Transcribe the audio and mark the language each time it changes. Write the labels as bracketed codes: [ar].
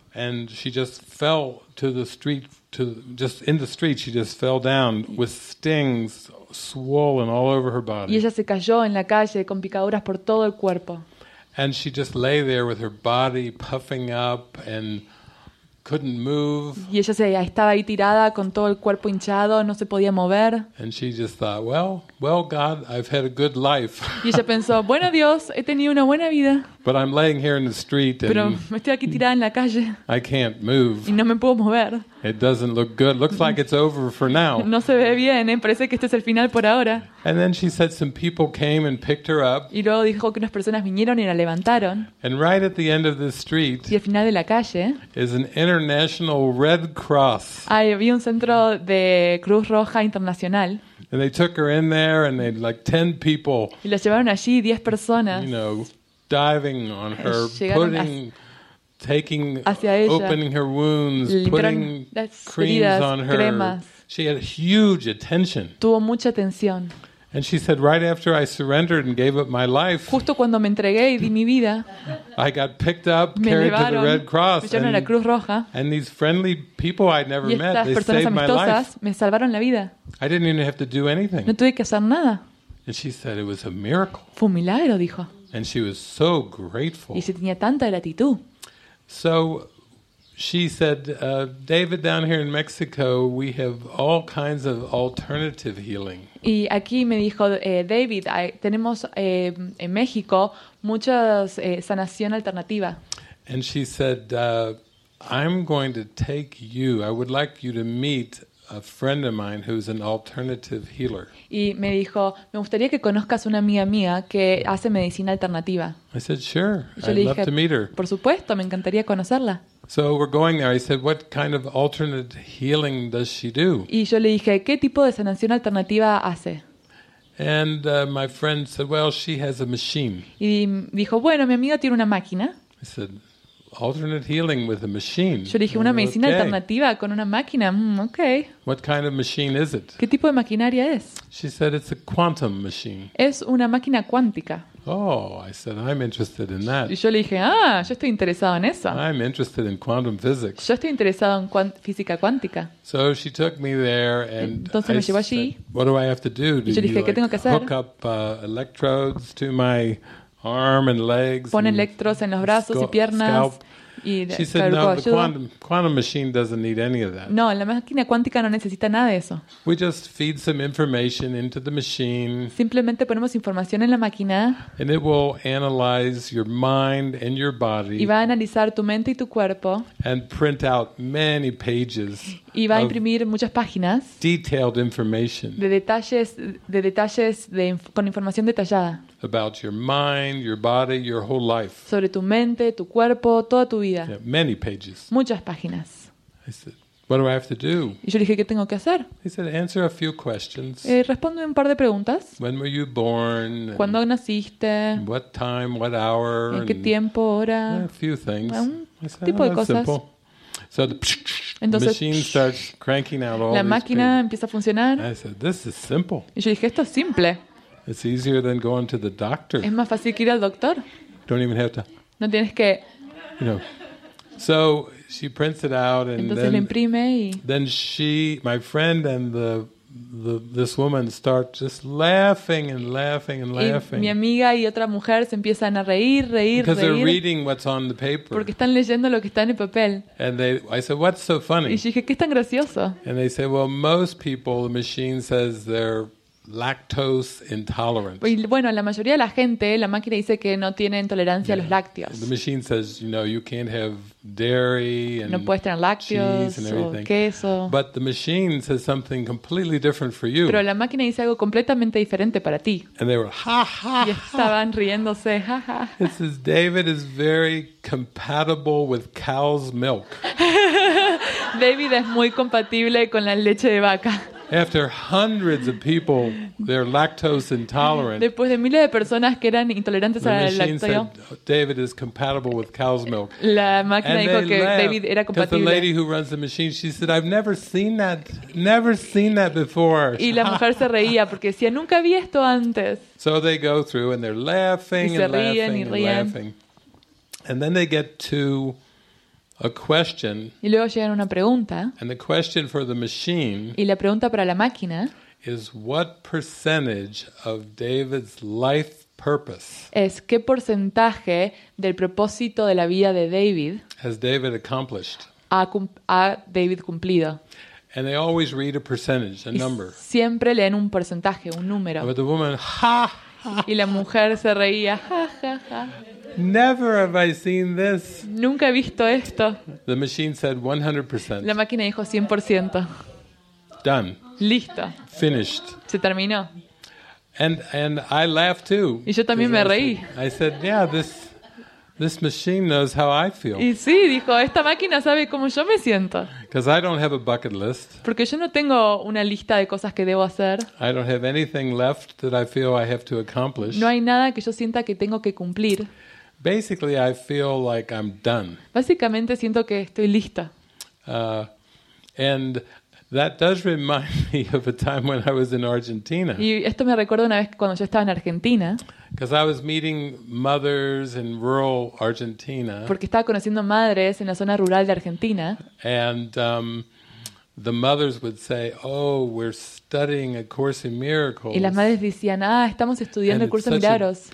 [en] And she just fell to the street, she just fell down with stings swollen all over her body. [es] Y ella se cayó en la calle con picaduras por todo el cuerpo. [en] And she just lay there with her body puffing up and couldn't move. [es] Y ella se estaba ahí tirada con todo el cuerpo hinchado, no se podía mover. [en] And she just thought, well, God, I've had a good life. [es] Y ella pensó, bueno Dios, he tenido una buena vida. [en] But I'm laying here in the street. [es] Pero me estoy aquí tirada en la calle. [en] I can't move. [es] Y no me puedo mover. [en] It doesn't look good. Looks like it's over for now. [es] No se ve bien. Parece que este es el final por ahora. [en] And then she said some people came and picked her up. [es] Y luego dijo que unas personas vinieron y la levantaron. [en] And right at the end of the street. [es] Y al final de la calle. [en] Is an international Red Cross. [es] Ahí había un centro de Cruz Roja Internacional. [en] And they took her in there, and they had like 10 people. [es] Y la llevaron allí 10 personas. [en] You know, diving on her, opening her wounds, putting creams on her. She had huge attention. [es] Tuvo mucha atención. [en] And she said, right after I surrendered and gave up my life, [es] justo cuando me entregué y di mi vida, [en] I got picked up, carried to the Red Cross, and these friendly people I'd never met, they saved my life. [es] Me salvaron la vida. [en] I didn't even have to do anything. [es] No tuve que hacer nada. [en] And she said it was a miracle. [es] Fue un milagro, dijo. [en] And she was so grateful. [es] Y se tenía tanta gratitud. [en] So she said, David, down here in Mexico, we have all kinds of alternative healing. [es] Y aquí me dijo, David, tenemos en México muchas sanación alternativa. [en] And she said, I'm going to take you. I would like you to meet a friend of mine who's an alternative healer. [es] Y me dijo, me gustaría que conozcas una amiga mía que hace medicina alternativa. [en] I said, sure. [es] Yo [en] I'd love to meet her. [es] Por supuesto, me encantaría conocerla. [en] So we're going there. I said, what kind of alternate healing does she do? [es] Y yo le dije, ¿qué tipo de sanación alternativa hace? [en] And my friend said, well, she has a machine. [es] Y dijo, bueno, mi amiga tiene una máquina. [en] I said, alternate healing with a machine. [es] Yo dije, una medicina alternativa con una máquina. Okay. [en] What kind of machine is it? [es] ¿Qué tipo de maquinaria es? [en] She said it's a quantum machine. [es] Es una máquina cuántica. [en] Oh, I said I'm interested in that. [es] Y yo le dije, ah, yo estoy interesado en eso. [en] I'm interested in quantum physics. [es] Yo estoy interesado en física cuántica. [en] So she took me there and [es] entonces me llevó allí. [en] What do I have to do? [es] Y yo le dije, ¿qué tengo que hacer? [en] Hook up electrodes to my arm and legs. [es] Pone electrodos en los brazos y piernas. [en] Scalp. She said, no, the quantum machine doesn't need any of that. [es] No, la máquina cuántica no necesita nada de eso. [en] We just feed some information into the machine. [es] Simplemente ponemos información en la máquina. [en] And it will analyze your mind and your body. [es] Y va a analizar tu mente y tu cuerpo. [en] And print out many pages. [es] Y va a imprimir muchas páginas. [en] Detailed information. [es] De detalles con información detallada. [en] About your mind, your body, your whole life. [es] Sobre tu mente, tu cuerpo, toda tu vida. [en] Yeah, many pages. [es] Muchas páginas. [en] I said, what do I have to do? [es] Y yo dije, ¿qué tengo que hacer? [en] He said, answer a few questions. [es] Responde un par de preguntas. [en] When were you born? [es] ¿Cuándo naciste? [en] What time, what hour? [es] ¿En qué tiempo, hora? [en] A few things. [es] Un tipo de cosas. [en] So the machine starts cranking out all these. [es] La máquina empieza a funcionar. [en] I said, this is simple. [es] Y yo dije, esto es simple. [en] It's easier than going to the doctor. [es] Es más fácil que ir al doctor. [en] Don't even have to. [es] No tienes que. [en] You know. So she prints it out and [es] entonces [en] then. [es] Le imprime y. [en] Then she, my friend, and this woman start just laughing and laughing and laughing. [es] Y mi amiga y otra mujer se empiezan a reír, reír, [en] because [es] reír. [en] They're reading what's on the paper. [es] Porque están leyendo lo que está en el papel. [en] And they, I said, what's so funny? [es] Y yo dije, ¿qué es tan gracioso? [en] And they say, well, most people, the machine says they're lactose intolerant. [es] Y bueno, la mayoría de la gente, la máquina dice que no tiene intolerancia a los lácteos. [en] The machine says, you know, you can't have dairy and [es] no puedes tener lácteos o queso. [en] But the machine says something completely different for you. [es] Pero la máquina dice algo completamente diferente para ti. [en] And they were ha ha. [es] Y estaban riéndose. Ha, ha. [en] This is David is very compatible with cow's milk. [es] David es muy compatible con la leche de vaca. [en] After hundreds of people, they're lactose intolerant. [es] Después de miles de personas que eran intolerantes a la lactosa. [en] The machine said David is compatible with cow's milk. [es] La máquina dijo que David era compatible. [en] Because the lady who runs the machine, she said, "I've never seen that before." [es] Y la mujer se reía porque decía, "Nunca vi esto antes." [en] So they go through and they're laughing and laughing and laughing. And then they get to a question. [es] Y luego llega una pregunta. [en] And the question for the machine. [es] Y la pregunta para la máquina. [en] Is what percentage of David's life purpose? [es] Es qué porcentaje del propósito de la vida de David. [en] Has David accomplished? [es] Ha David cumplido. [en] And they always read a percentage, a number. [es] Siempre leen un porcentaje, un número. [en] But the woman, ha. [es] Y la mujer se reía. [en] Never have I seen this. [es] Nunca he visto esto. [en] The machine said 100%. [es] La máquina dijo 100%. [en] Done. [es] Listo. [en] Finished. [es] Se terminó. [en] And I laughed too. [es] Y yo también me reí. [en] I said, yeah, this machine knows how I feel. [es] Y sí, dijo, esta máquina sabe cómo yo me siento. [en] Because I don't have a bucket list. [es] Porque yo no tengo una lista de cosas que debo hacer. [en] I don't have anything left that I feel I have to accomplish. [es] No hay nada que yo sienta que tengo que cumplir. [en] Basically, I feel like I'm done. [es] Básicamente siento que estoy lista. [en] And that does remind me of a time when I was in Argentina. [es] Y esto me recuerda una vez cuando yo estaba en Argentina. [en] Because I was meeting mothers in rural Argentina. [es] Porque estaba conociendo madres en la zona rural de Argentina. [en] And the mothers would say, "Oh, we're studying a course in miracles." [es] Y las madres decían, "Ah, estamos estudiando el curso de milagros."